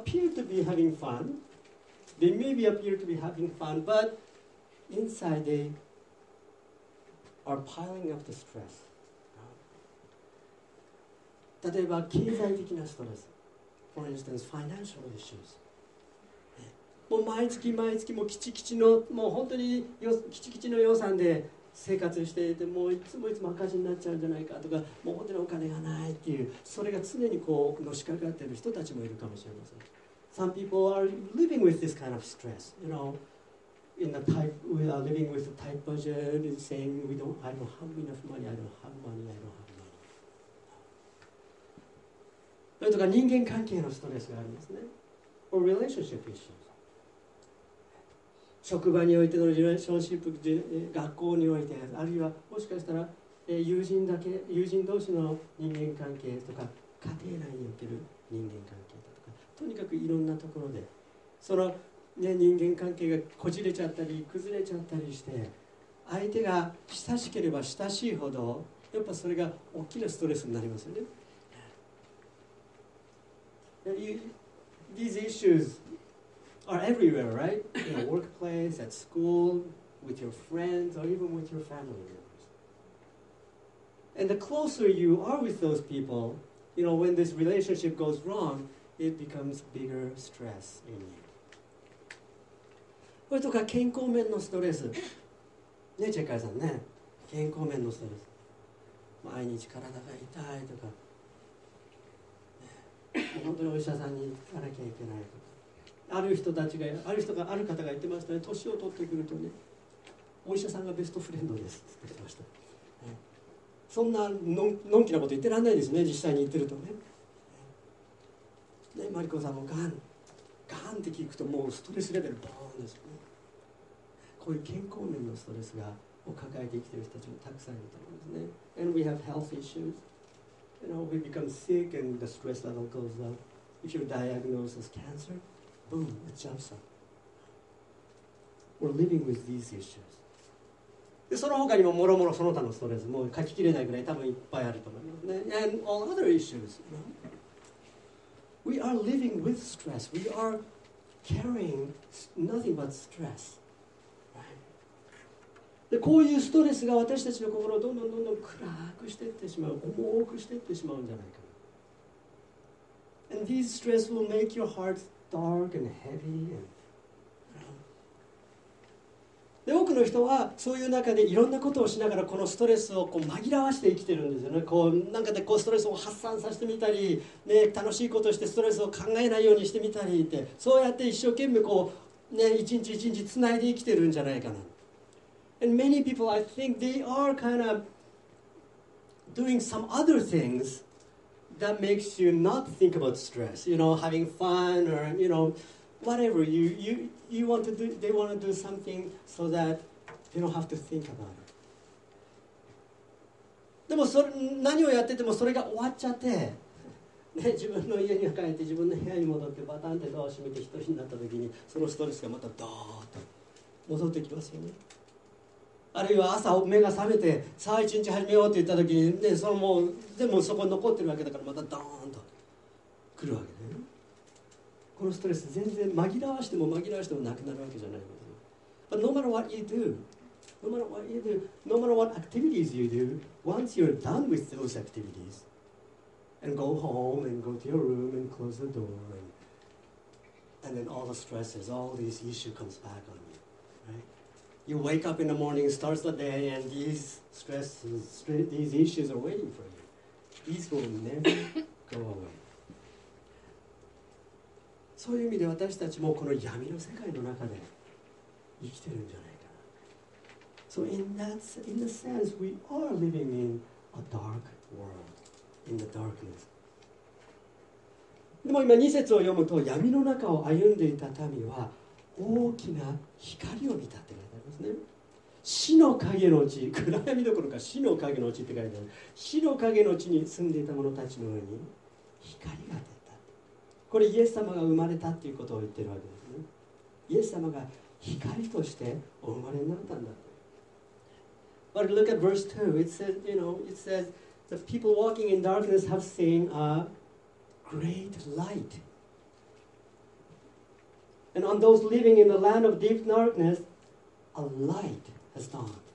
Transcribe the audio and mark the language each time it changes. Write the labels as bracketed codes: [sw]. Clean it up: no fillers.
[en] They appear to be having fun. They maybe appear to be having fun, but inside they are piling up the stress. [ja] 例えば経済的なストレス、 [en] For instance, financial issues. [ja] もう毎月毎月もうきちきちの、もう本当にきちきちの予算で生活していて、もういつもいつも赤字になっちゃうんじゃないかとか、もう本当にお金がないっていう、それが常にこうのしかかっている人たちもいるかもしれません。 [en] Some people are living with this kind of stress, you know, in the type, we are living with the type budget and saying we don't, I don't have enough money, I don't have money, I don't have money. [ja] それとか人間関係のストレスがあるんですね。 [en] Or relationship issues. [ja] 職場においてのリレーションシップ、学校において、あるいはもしかしたら友人だけ、友人同士の人間関係とか、家庭内における人間関係だとか、とにかくいろんなところで、その、ね、人間関係がこじれちゃったり、崩れちゃったりして、相手が親しければ親しいほど、やっぱそれが大きなストレスになりますよね。 [en] These issues. Are everywhere, right? In a workplace, at school, with your friends, or even with your family members. And the closer you are with those people, you know, when this relationship goes wrong, it becomes bigger stress in you. [ja] これとか健康面のストレス。ね、チェッカーさんね。健康面のストレス。毎日体が痛いとか。本当にお医者さんに行かなきゃいけないとか。ある人たちが、ある人が、ある方が言ってましたね。年を取ってくるとね、お医者さんがベストフレンドですって言ってました、ね。そんなのんきなこと言ってらんないですね、実際に言ってるとね。で、マリコさんもガンって聞くと、もうストレスレベルボーンですよね。こういう健康面のストレスがを抱えて生きている人たちもたくさんいると思うんですね。 [en] And we have health issues. You know, we become sick and the stress level goes up. If you're diagnosed as cancer, boom, it jumps up. We're living with these issues. [ja] で、その他にももろもろその他のストレスも書ききれないぐらい多分いっぱいあると思いますね。 [en] And all other issues. You know? We are living with stress. We are carrying nothing but stress. [ja] で、こういうストレスが私たちの心をどんどんどんどん暗くしていってしまう、重くしていってしまうんじゃないか。 [en] And these stress will make your heart dark and heavy. [ja] で、多くの人はそういう中でいろんなことをしながらこのストレスをこう紛らわして生きてるんですよね。こうなんかでこうストレスを発散させてみたり、ね、楽しいことをしてストレスを考えないようにしてみたりって、そうやって一生懸命こう、ね、一日一日つないで生きてるんじゃないかな。 [en] And many people, I think, they are kind of doing some other things that makes you not think about stress. You know, having fun or, you know, whatever. You want to do, they want to do something so that they don't have to think about it. [ja] でもそれ、何をやっててもそれが終わっちゃって、ね、自分の家に帰って自分の部屋に戻ってバタンってドアを閉めて一人になった時に、そのストレスがまたドーッと戻ってきますよね。あるいは朝目が覚めてさあ一日始めようって言った時に、ね、そのもうでもそこに残ってるわけだからまたドーンと来るわけね。このストレス全然紛らわしても紛らわしてもなくなるわけじゃないんですよ。 [en] But no matter what you do, no matter what you do, no matter what activities you do, once you're done with those activities and go home and go to your room and close the door and then all the stresses, all these issues comes back on you, right? You wake up in the morning, starts the day, and these stresses, these issues are waiting for you. These will never go away. [ja] そういう意味で私たちもこの闇の世界の中で生きてるんじゃないかな。 [en] So in the sense, we are living in a dark world, in the darkness. [ja] でも今2節を読むと、闇の中を歩んでいた民は大きな光を見たって書いてありますね。死の影のうち、暗闇どころか死の影のうちって書いてある。死の影のうちに住んでいた者たちの上に光が出た。これイエス様が生まれたっていうことを言ってるわけですね。イエス様が光としてお生まれになったんだ。 [en] But look at verse 2. It says, you know, it says, the people walking in darkness have seen a great light. And on those living in the land of deep darkness, a light has dawned.